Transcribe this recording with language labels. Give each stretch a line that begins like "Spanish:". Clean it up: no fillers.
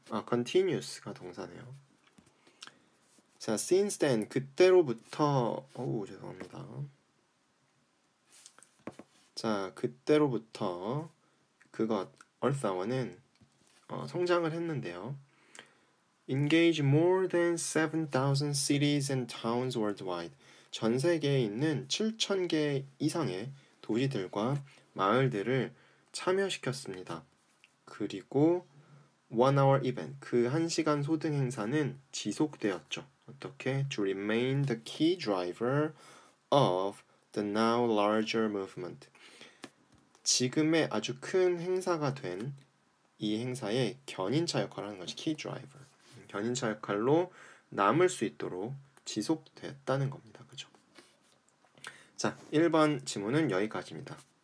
Korean: 아, continuous가 동사네요. 자, since then, 그때로부터 죄송합니다. 자, 그때로부터 그것, Earth Hour는 성장을 했는데요.
English: Engage more than 7,000 cities and towns worldwide.
Korean: 전 세계에 있는 7,000개 이상의 도시들과 마을들을 참여시켰습니다. 그리고
English: one-hour event,
Korean: 그 한 시간 소등 행사는 지속되었죠. 어떻게?
English: To remain the key driver of the now larger movement.
Korean: 지금의 아주 큰 행사가 된 이 행사의 견인차 역할을 하는 것이 key driver. 견인차 역할로 남을 수 있도록 지속됐다는 겁니다. 그렇죠? 자, 1번 지문은 여기까지입니다.